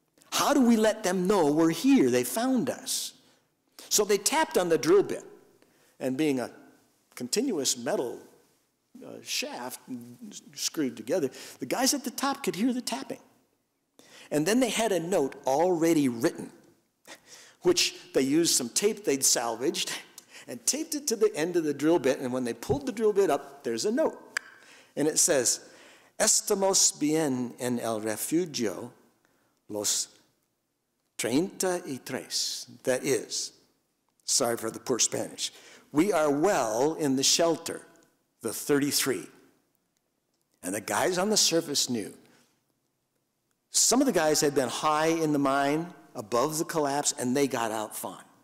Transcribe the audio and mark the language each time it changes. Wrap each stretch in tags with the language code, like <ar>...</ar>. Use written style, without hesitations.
<en>How do we let them know we're here? They found us. So they tapped on the drill bit, and being a continuous metal shaft screwed together, the guys at the top could hear the tapping. And then they had a note already written, which they used some tape they'd salvaged and taped it to the end of the drill bit. And when they pulled the drill bit up, there's a note. And it says,</en> <es>Estamos bien en el refugio los 33.</es> <en>That is, sorry for the poor Spanish, we are well in the shelter, the 33. And the guys on the surface knew. Some of the guys had been high in the mine above the collapse, and they got out fine.</en>